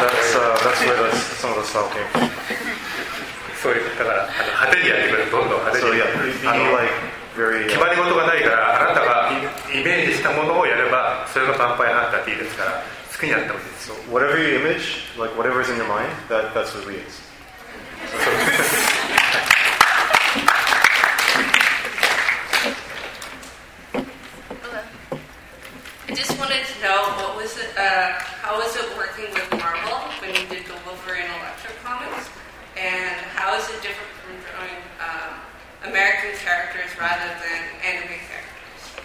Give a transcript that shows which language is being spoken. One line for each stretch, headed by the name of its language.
English: So that's where some of the style came from.
Japanese: そういうだから派手にやってくれ、どんどん派手に。決まり事がないから、あなたがイメージしたものをやれば、それがヴァンパイアハンターでいいですから。
English: So whatever you image, like whatever is in your mind, that's what he is. Hello. I just wanted to know what was it, how was it working with Marvel when you did the Wolverine Electro comics, and how is it different from drawing American characters rather than anime characters?